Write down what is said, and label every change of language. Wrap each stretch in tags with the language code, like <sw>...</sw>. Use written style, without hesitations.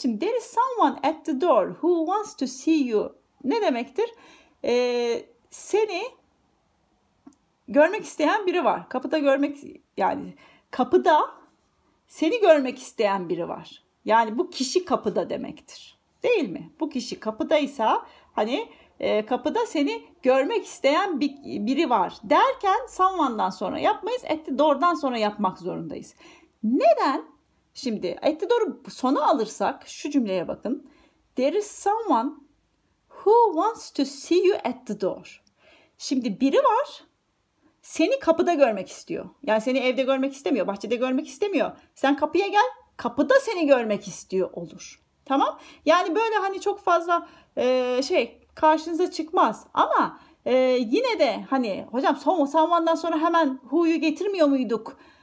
<tr>Şimdi</tr> <en>there is someone at the door who wants to see you</en> <tr>ne demektir? Seni görmek isteyen biri var. Kapıda görmek, yani kapıda seni görmek isteyen biri var. Yani bu kişi kapıda demektir. Değil mi? Bu kişi kapıdaysa, hani kapıda seni görmek isteyen biri var derken someone'dan sonra yapmayız.</tr> <en>At the door'dan</en> <tr>sonra yapmak zorundayız. Neden? Şimdi</tr> <en>at the door'u</en> <tr>sona alırsak şu cümleye bakın.</tr> <en>There is someone who wants to see you at the door.</en> <tr>Şimdi biri var, seni kapıda görmek istiyor. Yani seni evde görmek istemiyor, bahçede görmek istemiyor. Sen kapıya gel, kapıda seni görmek istiyor olur. Tamam? Yani böyle hani çok fazla şey karşınıza çıkmaz. Ama yine de hani hocam someone'dan sonra hemen who'yu getirmiyor muyduk?</tr>